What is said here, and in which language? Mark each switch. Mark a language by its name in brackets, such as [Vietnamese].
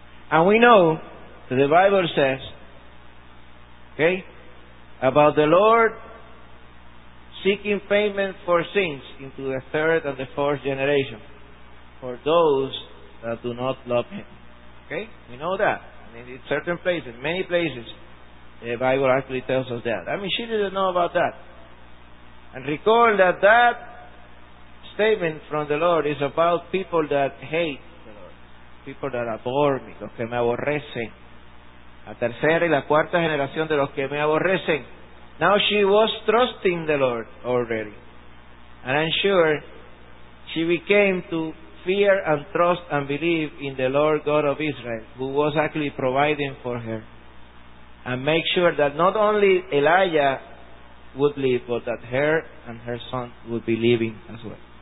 [English] And we know that the Bible says, okay, about the Lord seeking payment for sins into the third and the fourth generation for those that do not love Him. Okay? We know that. In certain places, many places, the Bible actually tells us that. I mean, she didn't know about that. And recall that that statement from the Lord is about people that hate the Lord. People that abhor me, [Spanish] los que me aborrecen. La tercera y la cuarta generación de los que me aborrecen. [English] Now she was trusting the Lord already. And I'm sure she became to fear and trust and believe in the Lord God of Israel, who was actually providing for her. And make sure that not only Elijah would live, but that her and her son would be living as well.